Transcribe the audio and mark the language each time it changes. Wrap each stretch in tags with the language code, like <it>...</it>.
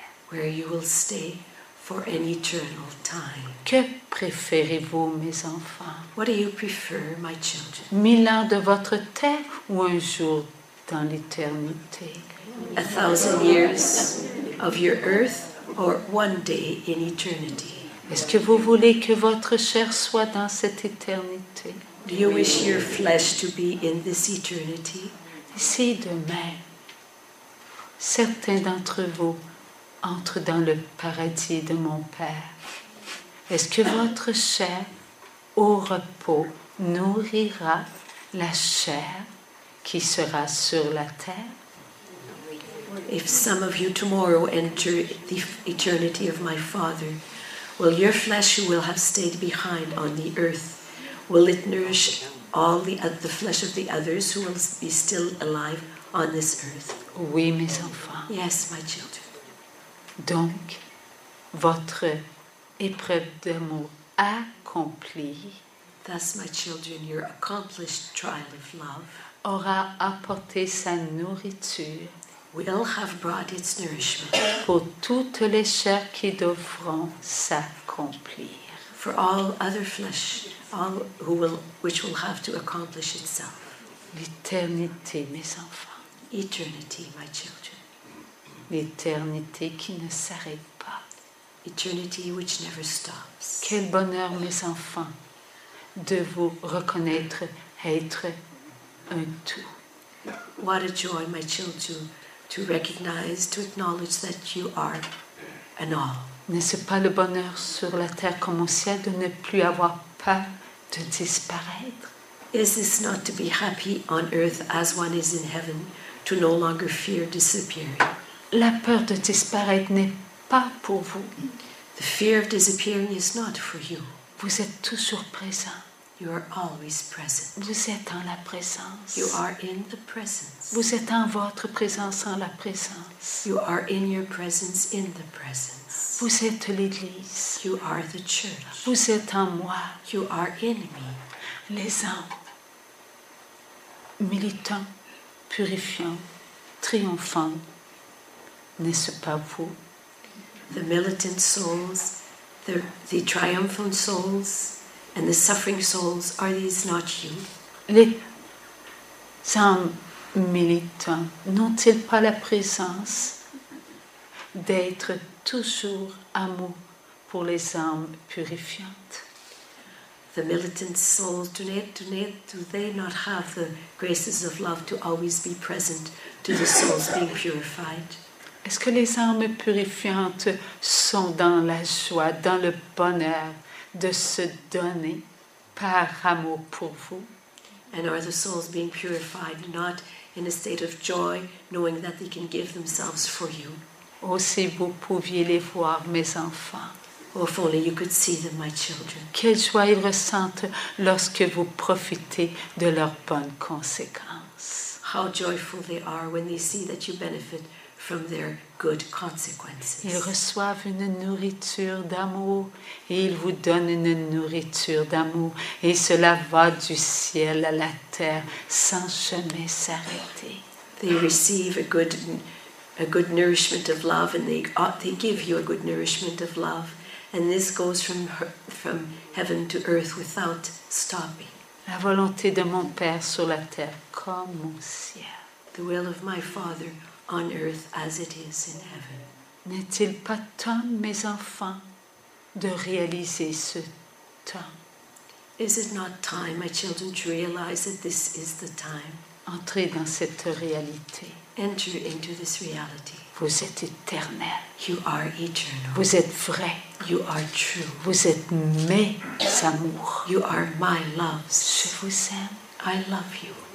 <en>Where you will stay for an eternal time.</en> <fr>Que préférez-vous, mes enfants?</fr> <en>What do you prefer, my children?</en> <fr>1000 ans de votre terre ou un jour dans l'éternité?</fr> <en>1,000 years of your earth or one day in eternity?</en> <fr>Est-ce que vous voulez que votre chair soit dans cette éternité?</fr> <en>Do you wish your flesh to be in this eternity?</en> <fr>Si demain, certains d'entre vous entrent dans le paradis de mon Père, est-ce que votre chair au repos nourrira la chair qui sera sur la terre?</fr> <en>If some of you tomorrow enter the eternity of my Father, will your flesh who will have stayed behind on the earth, will it nourish all the flesh of the others who will be still alive on this earth?</en> <fr>Oui, mes enfants.</fr> <en>Yes, my children.</en> <fr>Donc, votre épreuve d'amour accomplie,</fr> <en>thus, my children, your accomplished trial of love,</en> <fr>aura apporté sa nourriture,</fr> <en>will have brought its nourishment</en> <fr>pour toutes les chairs qui devront s'accomplir.</fr> <en>For all other flesh, which will have to accomplish itself.</en> <fr>L'éternité, mes enfants.</fr> <en>Eternity, my children.</en> <fr>L'éternité qui ne s'arrête pas.</fr> <en>Eternity which never stops.</en> <fr>Quel bonheur, mes enfants, de vous reconnaître être un tout.</fr> <en>What a joy, my children, to recognize, to acknowledge that you are an all.</en> <fr>N'est-ce pas le bonheur sur la terre comme au ciel de ne plus avoir peur de disparaître?</fr> <en>Is this not to be happy on earth as one is in heaven, to no longer fear disappearing?</en> <fr>La peur de disparaître n'est pas pour vous.</fr> <en>The fear of disappearing is not for you.</en> <fr>Vous êtes toujours présent.</fr> <en>You are always present.</en> <fr>Vous êtes en la présence.</fr> <en>You are in the presence.</en> <fr>Vous êtes en votre présence en la présence.</fr> <en>You are in your presence in the presence.</en> <fr>Vous êtes l'Église.</fr> <en>You are the church.</en> <fr>Vous êtes en moi.</fr> <en>You are in me.</en> <fr>Les âmes militants, purifiants, triomphants, n'est-ce pas vous?</fr> <en>The militant souls, the triumphant souls, and the suffering souls, are these not you?</en> <fr>Les âmes militants n'ont-ils pas la présence d'être toujours amour pour les âmes purifiantes?</fr> <en>The militant souls, do they not have the graces of love to always be present to the souls being purified?</en> <fr>Est-ce que les âmes purifiantes sont dans la joie, dans le bonheur de se donner par amour pour vous?</fr> <en>And are the souls being purified not in a state of joy, knowing that they can give themselves for you?</en> <fr>Oh, si vous pouviez les voir, mes enfants.</fr> <en>Oh, if only you could see them, my children.</en> <fr>Quelle joie ils ressentent lorsque vous profitez de leurs bonnes conséquences.</fr> <en>How joyful they are when they see that you benefit from their good consequences.</en> <fr>Ils reçoivent une nourriture d'amour et ils vous donnent une nourriture d'amour et cela va du ciel à la terre sans jamais s'arrêter.</fr> <en>They receive a good nourishment of love and they give you a good nourishment of love and this goes from heaven to earth without stopping.</en> <fr>La volonté de mon Père sur la terre comme au ciel.</fr> <en>The will of my Father on earth as it is in heaven.</en> <fr>N'est-il pas temps, mes enfants, de réaliser ce temps?</fr> <en>Is it not time, my children, to realize that this is the time?</en> <fr>Entrez dans cette réalité.</fr> <en>Enter into this reality.</en> <fr>Vous êtes éternel.</fr> <en>You are eternal.</en> <fr>Vous êtes vrai.</fr> <en>You are true.</en> <fr>Vous êtes mes amours.</fr> <en>You are my loves.</en> <fr>Je vous aime.</fr> <en>I love you.</en>